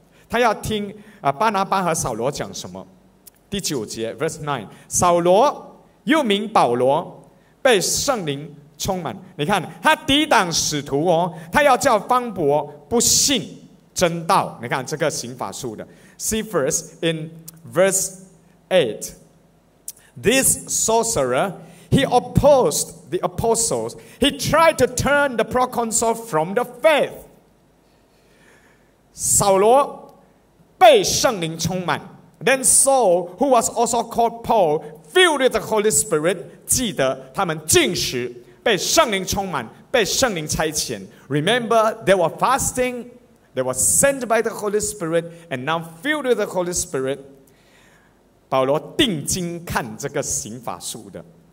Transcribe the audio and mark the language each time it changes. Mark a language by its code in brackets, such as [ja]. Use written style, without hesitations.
[zh] 他要听巴拿巴和扫罗讲什么。第九节 [en] verse 9, [zh] 扫罗又名保罗被圣灵充满，你看他抵挡使徒哦，他要叫方伯不信真道，你看这个行法术的。 [en] See first in verse 8, this sorcerer, he opposed the apostles, he tried to turn the proconsul from the faith. [zh] 扫罗被圣灵充满， [en] then Saul, who was also called Paul,Filled with the Holy Spirit, [zh] 记得他们进食，被圣灵充满，被圣灵差遣。 [en] Remember, they were fasting, they were sent by the Holy Spirit, and now filled with the Holy Spirit. [zh] 保罗定睛看这个行法术的。